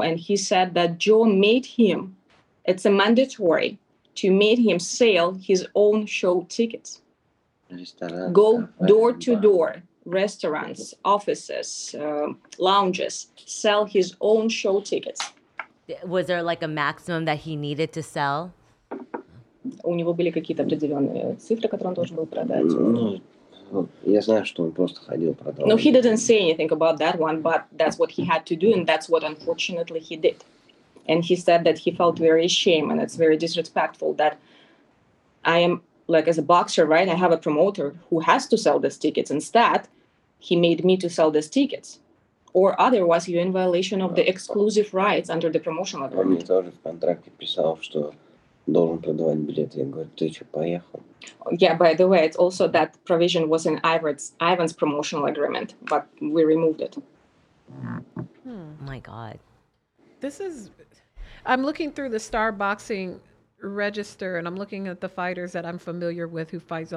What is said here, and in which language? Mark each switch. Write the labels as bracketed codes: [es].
[en] And he said that Joe made him, it's a mandatory to make him sell his own show tickets. Go door to door, restaurants, offices, lounges, sell his own show tickets. Was there like a maximum that he needed to sell? [ru] У него были какие-то определенные цифры, которые он должен был продать. Я знаю, что он просто ходил продавал. [en] No, he didn't say anything about that one, but that's what he had to do, and that's what unfortunately he did. And he said that he felt very ashamed, and it's very disrespectful that I am. Like as a boxer, right? I have a promoter who has to sell these tickets. Instead, he made me to sell these tickets. Or otherwise, you're in violation of the exclusive rights under the promotional agreement. [ru] Он мне тоже в контракте писал, что должен продавать билеты. Я говорю, ты что, поехал? [en] Yeah, by the way, it's also that provision was in Ivan's promotional agreement, but we removed it. Oh my God. I'm looking through the Star Boxing register, and I'm looking at the fighters that I'm familiar with who fight.